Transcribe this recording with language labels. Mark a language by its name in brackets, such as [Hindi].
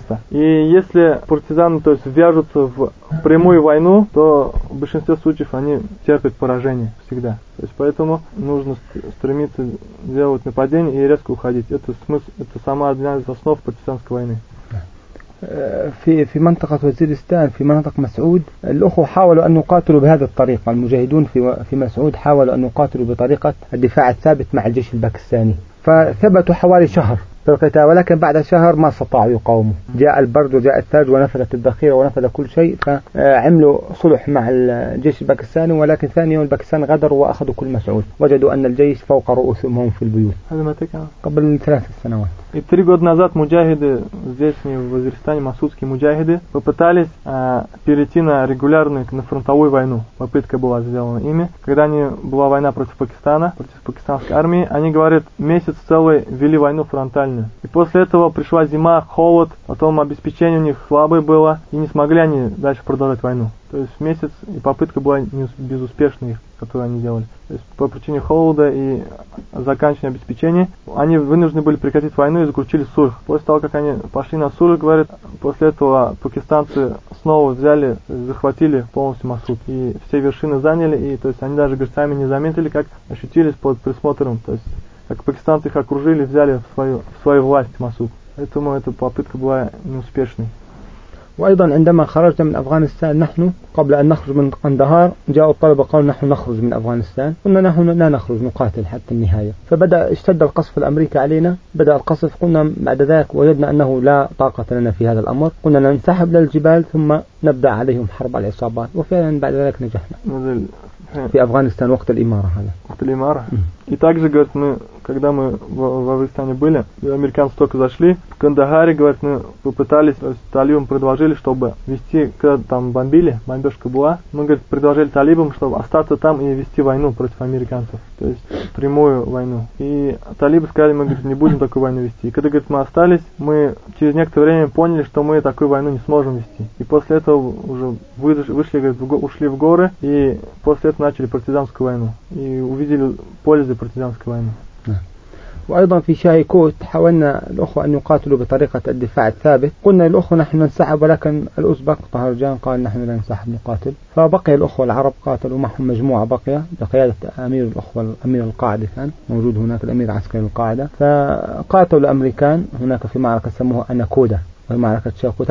[Russian] И если партизаны, то есть, вяжутся в прямую войну, то в большинстве случаев они терпят поражение всегда. То есть поэтому нужно стремиться делать нападение и резко уходить. Это смысл, это сама одна из основ партизанской войны. [Arabic] في منطقة وزيرستان في منطقة مسعود الأخوة حاولوا أن يقاتلوا بهذا الطريق. المجاهدون في مسعود حاولوا أن يقاتلوا بطريقة الدفاع الثابت مع الجيش الباكستاني. فثبتوا حوالي شهر في القتال، ولكن بعد شهر ما استطاعوا يقاوموا. جاء البرد وجاء الثلج ونفذت الذخيرة ونفذ كل شيء، فعملوا صلح مع الجيش الباكستاني، ولكن ثاني يوم الباكستان غدر وأخذوا كل مسعود، وجدوا أن الجيش فوق رؤوسهم في البيوت. هذا متى كان؟ قبل 3 سنوات. [Russian] И 3 года назад муджахиды здесь, в Вазиристане, масудские муджахиды, попытались перейти на регулярную, на фронтовую войну. Попытка была сделана ими. Когда они была война против Пакистана, против пакистанской армии, они, говорят, месяц целый вели войну фронтальную. И после этого пришла зима, холод, потом обеспечение у них слабое было, и не смогли они дальше продолжать войну. То есть месяц, и попытка была безуспешной, которую они делали. То есть по причине холода и заканчивания обеспечения они вынуждены были прекратить войну и заключили сульх. После того, как они пошли на сульх, говорят, после этого пакистанцы снова взяли, захватили полностью Масуд. И все вершины заняли, и то есть они даже, говорят, сами не заметили, как ощутились под присмотром. То есть как пакистанцы их окружили, взяли в свою власть Масуд. Поэтому эта попытка была неуспешной. [Arabic] وأيضا عندما خرجنا من أفغانستان نحن قبل أن نخرج من قندهار جاءوا الطلبة قالوا نحن نخرج من أفغانستان، قلنا نحن لا نخرج، نقاتل حتى النهاية. فبدأ اشتد القصف الأمريكي علينا، بدأ القصف، قلنا بعد ذلك وجدنا أنه لا طاقة لنا في هذا الأمر، قلنا ننسحب للجبال ثم نبدأ عليهم حرب العصابات، وفعلا بعد ذلك نجحنا في أفغانستان وقت الإمارة. هذا وقت الإمارة. [Russian] И также, говорит, мы, когда мы в Афганистане были, американцы только зашли, в Кандагаре, говорит, мы попытались, то есть талибам предложили, чтобы вести, когда там бомбили, бомбежка была, мы, говорит, предложили талибам, чтобы остаться там и вести войну против американцев, то есть прямую войну. И талибы сказали, мы, говорит, не будем такую войну вести. И когда, говорит, мы остались, мы через некоторое время поняли, что мы такую войну не сможем вести. И после этого уже вышли, говорит, ушли в горы, и после этого начали партизанскую войну. И увидели пользу партизанской войны. [Arabic] وأيضا في شاهيكوت حاولنا الأخوة أن يقاتلوا بطريقة الدفاع الثابت، قلنا الأخوة نحن ننسحب، ولكن الأوزبك طهرجان قال نحن لا ننسحب نقاتل. فبقي الأخوة العرب قاتلوا معهم مجموعة بقية بقيادة أمير الأخوة، أمير القاعدة كان موجود هناك، الأمير عسكري القاعدة، فقاتلوا الأمريكان هناك في معركة سموها أناكودا، معركة شاهيكوت.